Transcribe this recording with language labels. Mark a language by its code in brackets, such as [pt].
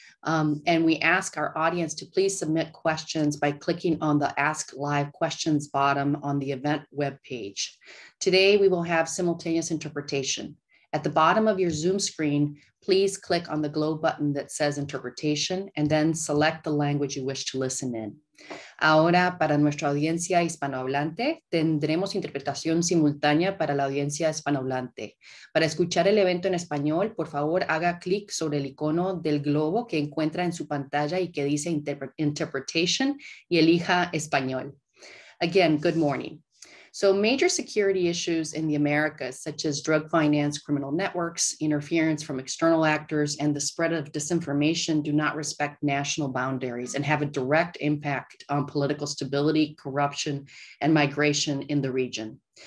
[en] And we ask our audience to please submit questions by clicking on the Ask Live Questions bottom on the event webpage. Today, we will have simultaneous interpretation. At the bottom of your Zoom screen, please click on the globe button that says Interpretation and then select the language you wish to listen in. [es] Ahora, para nuestra audiencia hispanohablante, tendremos interpretación simultánea para la audiencia hispanohablante. Para escuchar el evento en español, por favor, haga clic sobre el icono del globo que encuentra en su pantalla y que dice Interpretation y elija Español. [en] Again, good morning. So major security issues in the Americas, such as drug finance, criminal networks, interference from external actors, and the spread of disinformation do not respect national boundaries and have a direct impact on political stability, corruption, and migration in the region.